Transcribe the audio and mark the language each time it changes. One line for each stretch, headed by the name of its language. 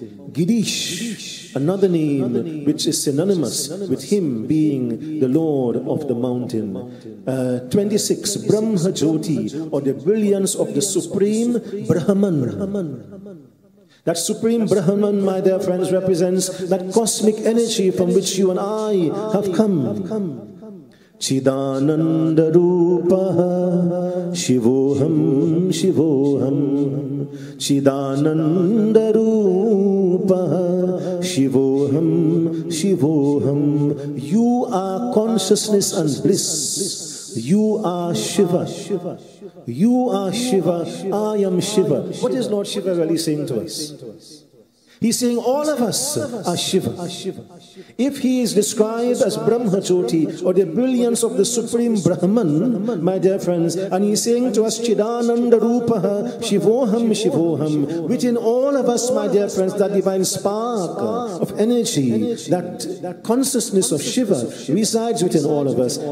English: Girish, another name which is synonymous with him being the Lord of the mountain. 26, Brahma Jyoti, or the brilliance of the supreme Brahman. That supreme Brahman, my dear friends, represents that cosmic energy from which you and I have come.
Sanskrit: Chidananda Rupaha Shivoham Shivoham. Chidananda Rupaha Shivoham Shivoham.
English: You are consciousness and bliss. You are Shiva. You are Shiva. I am Shiva. What is Lord Shiva really saying to us? He's saying all of us are Shiva. If he is described as Brahma Jyoti, or the brilliance of the supreme Brahman, my dear friends, and he's saying to us,
Sanskrit: Chidananda Rupaha Shivoham Shivoham,
English: within all of us, my dear friends, that divine spark of energy, that consciousness of Shiva resides within all of us.